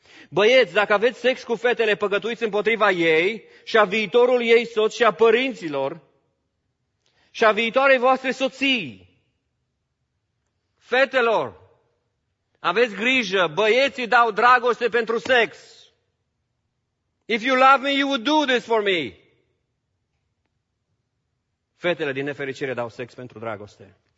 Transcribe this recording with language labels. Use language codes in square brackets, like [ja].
[ro] Băieți, dacă aveți sex cu fetele, păcătuiți împotriva ei și a viitorului ei soț și a părinților și a viitoarei voastre soții. Fetelor, aveți grijă, băieții dau dragoste pentru sex. [en] If you love me, you would do this for me. [ro] Fetele, din nefericire, dau sex pentru dragoste.